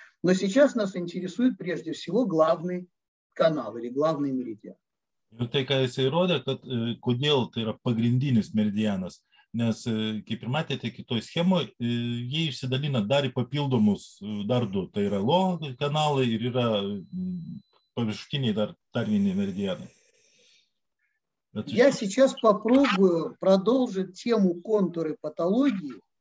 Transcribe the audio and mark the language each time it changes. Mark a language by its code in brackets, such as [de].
[ru] Но сейчас нас интересует прежде всего главный канал или главный меридиан. [lt] Ir tai, ką jis įrodė, kad kodėl tai yra pagrindinis meridianas, nes, kaip ir matėte, kitoj schemoje, jie išsidalina dar į papildomus dar du, tai yra lo kanalai ir yra paviršutiniai dar vieni meridianai. Bet... [ru] Я сейчас попробую продолжить тему контуры патологии.